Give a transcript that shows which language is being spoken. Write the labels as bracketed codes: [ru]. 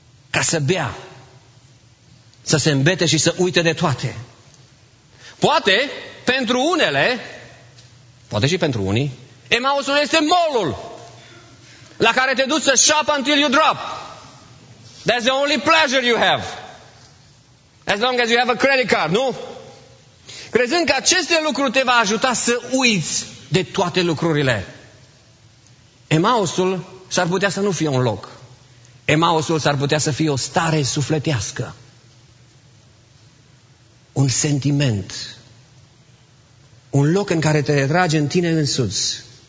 [ro] Ca să bea. Să se îmbete și să uite de toate. Poate pentru unele, poate și pentru unii, Emausul este mall-ul la care te duci să [en] shop until you drop. That's the only pleasure you have. As long as you have a credit card, [ro] nu? Crezând că aceste lucruri te va ajuta să uiți de toate lucrurile. Emausul s-ar putea să nu fie un loc. Emausul s-ar putea să fie o stare sufletească. Un sentiment. Un loc în care te retragi în tine însuți.